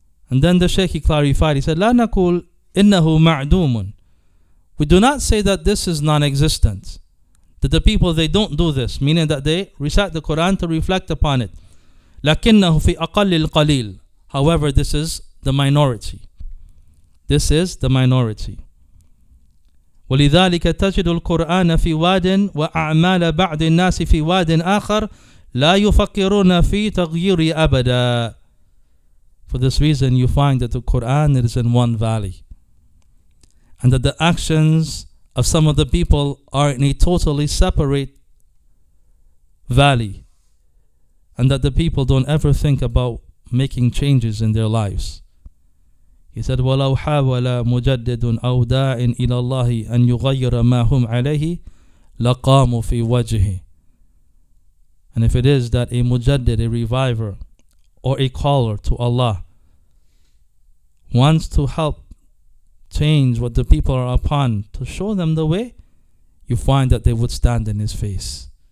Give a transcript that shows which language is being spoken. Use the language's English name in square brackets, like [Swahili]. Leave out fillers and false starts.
[English] And then the Shaykh, he clarified, he said, [Arabic] لا نقول إنه معدوم. [English] We do not say that this is non-existent, that the people, they don't do this, meaning that they recite the Quran to reflect upon it. [Arabic] لكنه في أقل القليل. [English] However, this is the minority. This is the minority. [Arabic] ولذلك تجد القرآن في واد وأعمال بعض الناس في واد آخر لا يفكرون في تغيير أبدا. [English] For this reason, you find that the Quran is in one valley, and that the actions of some of the people are in a totally separate valley, and that the people don't ever think about making changes in their lives. He said, [Arabic] وَلَوْ حَاوَلَ مُجَدِّدٌ أَوْ دَاعٍ إِلَى اللَّهِ أَنْ يُغَيِّرَ مَا هُمْ عَلَيْهِ لَقَامُوا فِي وَجْهِ. [English] And if it is that a mujaddid, a reviver, or a caller to Allah wants to help change what the people are upon, to show them the way, you find that they would stand in his face.